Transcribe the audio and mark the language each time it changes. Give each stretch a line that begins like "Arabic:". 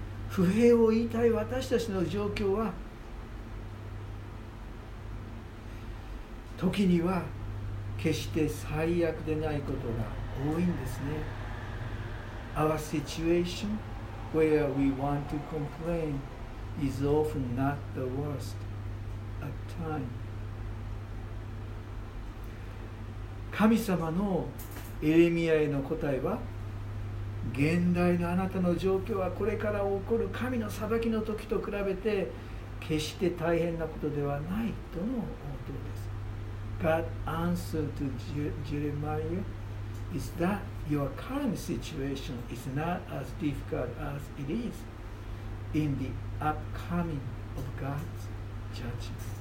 Japanese: 不平を言いたい私たちの状況は、時には決して最悪でないことが多いんですね。
English: Our situation where we want to complain is often not the worst at time.
Japanese: 神様のエレミアへの答えは、現代のあなたの状況はこれから起こる神の裁きの時と比べて決して大変なことではないとの応答です。
English: God answered to Jeremiah is that your current situation is not as difficult as it is in theUpcoming of God's judgment.